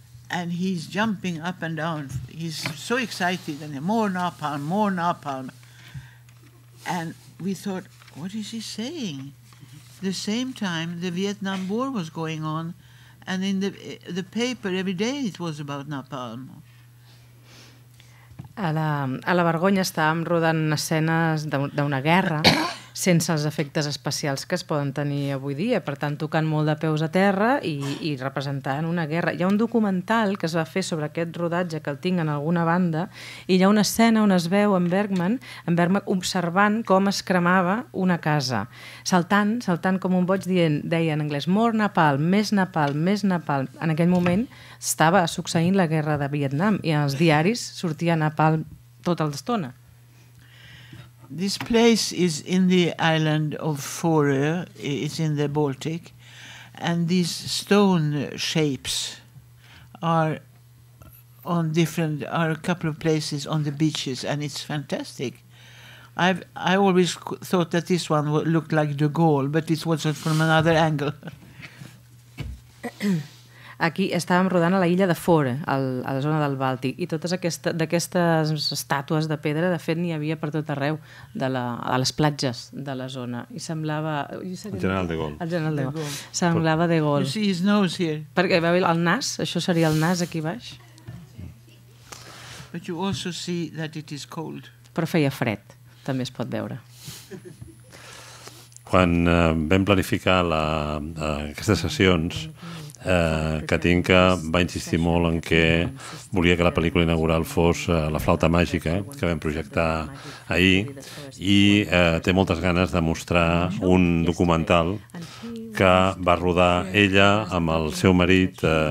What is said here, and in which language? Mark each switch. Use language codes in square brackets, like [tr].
[en] And he's jumping up and down. He's so excited, and more napalm, more napalm. And we thought, what is he saying? The same time, the Vietnam War was going on, and in the paper, every day it was about napalm. [ca] A la vergonya estàvem rodant escenes d'una guerra sense els efectes especials que es poden tenir avui dia, per tant, tocant molt de peus a terra i representant una guerra. Hi ha un documental que es va fer sobre aquest rodatge, que el tinc en alguna banda, i hi ha una escena on es veu en Bergman observant com es cremava una casa, saltant com un boig, deia en anglès, [en] more napalm, [ca] més napalm, més napalm. En aquell moment estava succeint la guerra de Vietnam i en els diaris sortia napalm tota l'estona. [en] This place is in the island of Fårö, it's in the Baltic, and these stone shapes are a couple of places on the beaches, and it's fantastic. I always thought that this one looked like De Gaulle, but it was from another angle. [ca] Aquí estàvem rodant a la illa de Fore, a la zona del Bàltic, i totes d'aquestes estàtues de pedra, de fet, n'hi havia per tot arreu, a les platges de la zona. I semblava... El general de Gaulle. Semblava De Gaulle. [en] You see his nose here. [ca] Perquè va veure el nas, això seria el nas aquí baix. [en] But you also see that it is cold. [ca] Però feia fred, també es pot veure. Quan vam planificar aquestes sessions, Katinka va insistir molt en que volia que la pel·lícula inaugural fos La flauta màgica, que vam projectar ahir, i té moltes ganes de mostrar un documental que va rodar ella amb el seu marit,